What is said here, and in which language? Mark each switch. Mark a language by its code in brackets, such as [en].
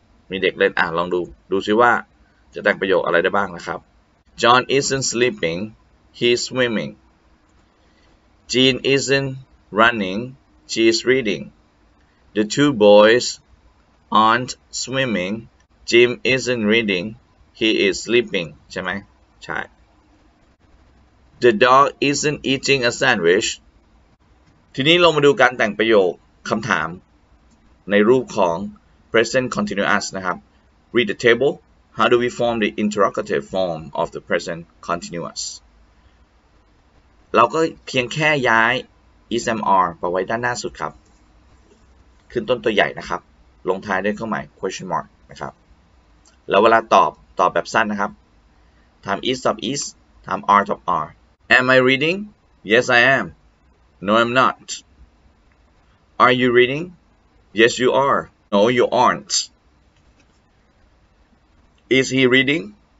[th] มีเด็กเล่นอ่ะลองดูซิว่าจะแต่งประโยคอะไรได้บ้างนะครับ [en] John isn't sleeping he's swimming Jean isn't running she's reading the two boys aren't swimmingJim isn't reading, he is sleeping, [th] ใช่ไหม? ใช่ [en] The dog isn't eating a sandwich. [th] ทีนี้เรามาดูการแต่งประโยคคำถามในรูปของ present continuous นะครับ [en] Read the table. How do we form the interrogative form of the present continuous? [th] เราก็เพียงแค่ย้าย is am are ไปไว้ด้านหน้าสุดครับขึ้นต้นตัวใหญ่นะครับลงท้ายด้วยเครื่องหมาย question mark นะครับแล้วเวลาตอบแบบสั้นนะครับถาม is ตอบ is ถาม are ตอบ are [en] Am I reading? Yes I am No I'm not Are you reading? Yes you are No you aren't Is he reading?